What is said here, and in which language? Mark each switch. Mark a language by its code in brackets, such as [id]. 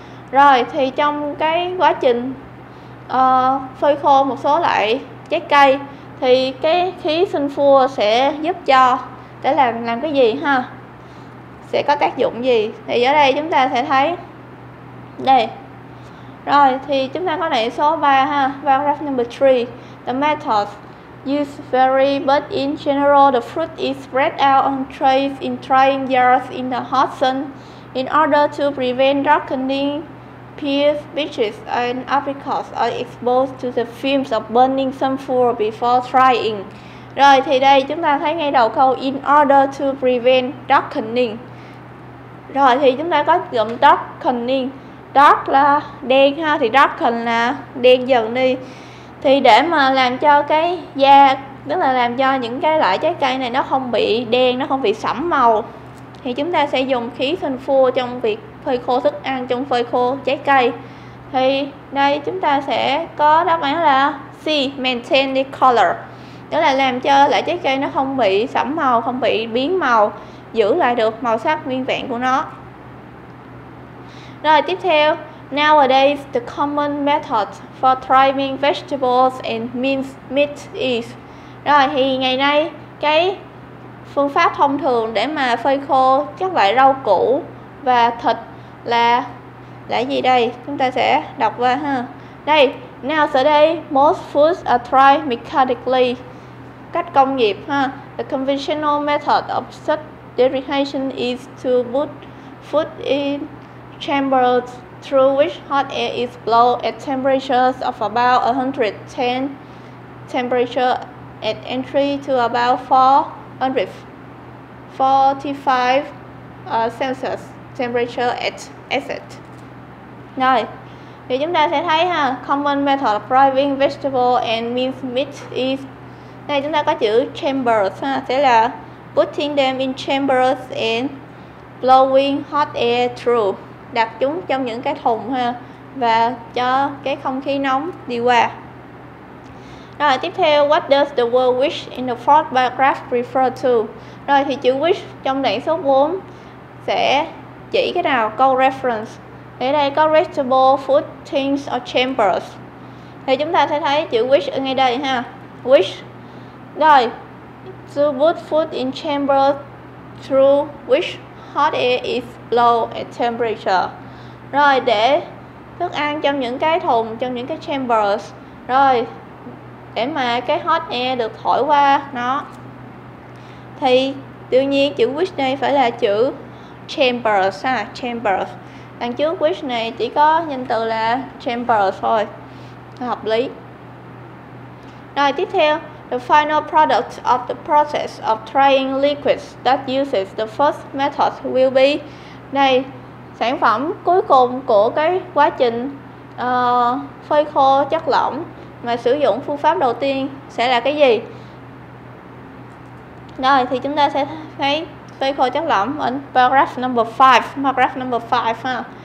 [vi] Rồi thì trong cái quá trình phơi khô một số loại trái cây thì cái khí sulfur sẽ giúp cho để làm cái gì ha, sẽ có tác dụng gì. Thì ở đây chúng ta sẽ thấy đây. Rồi thì chúng ta có đoạn số 3 ha, [en] paragraph number 3. The methods used vary, but in general the fruit is spread out on trays in drying jars in the hot sun in order to prevent darkening pears, peaches and apricots are exposed to the fumes of burning sulfur before drying. [vi] Rồi thì đây chúng ta thấy ngay đầu câu [en] in order to prevent darkening. [vi] Rồi thì chúng ta có cụm darkening. Dark là đen ha, thì darken là đen dần đi. Thì để mà làm cho cái da, tức là làm cho những cái loại trái cây này nó không bị đen, nó không bị sẫm màu, thì chúng ta sẽ dùng khí sulfur trong việc phơi khô thức ăn, trong phơi khô trái cây. Thì đây chúng ta sẽ có đáp án là C, [en] maintain the color, [vi] tức là làm cho loại trái cây nó không bị sẫm màu, không bị biến màu, giữ lại được màu sắc nguyên vẹn của nó. Rồi tiếp theo, [en] nowadays the common method for trimming vegetables and minced meat is. [vi] Rồi thì ngày nay cái phương pháp thông thường để mà phơi khô các loại rau củ và thịt là gì đây? Chúng ta sẽ đọc qua ha. Đây, [en] nowadays most foods are dried mechanically, [vi] cách công nghiệp ha. [en] The conventional method of such dehydration is to put food in chambers through which hot air is blown at temperatures of about 110 temperature at entry to about 445 Celsius temperature at exit. [vi] Rồi, thì chúng ta sẽ thấy ha, [en] common method of driving vegetable and minced meat is. [vi] Đây chúng ta có chữ chambers ha, sẽ là [en] putting them in chambers and blowing hot air through, [vi] đặt chúng trong những cái thùng ha, và cho cái không khí nóng đi qua. Rồi tiếp theo, [en] what does the word wish in the fourth paragraph refer to? [vi] Rồi thì chữ wish trong đoạn số 4 sẽ chỉ cái nào, câu reference. Ở đây có [en] vegetable, food, things or chambers. [vi] Thì chúng ta sẽ thấy chữ wish ở ngay đây ha. Wish. [en] Rồi, to put food in chamber through which hot air is blown at temperature. [vi] Rồi, để thức ăn trong những cái thùng, trong những cái chambers. Rồi, để mà cái hot air được thổi qua nó. Thì đương nhiên chữ wish này phải là chữ chambers ha, chambers. Đằng trước wish này chỉ có danh từ là chambers thôi, hợp lý. [en] Rồi tiếp theo, the final product of the process of drying liquids that uses the first method will be. Này, [vi] sản phẩm cuối cùng của cái quá trình phơi khô chất lỏng mà sử dụng phương pháp đầu tiên sẽ là cái gì? Rồi thì chúng ta sẽ thấy phơi khô chất lỏng ở [en] paragraph number 5, paragraph number 5 [vi] ha.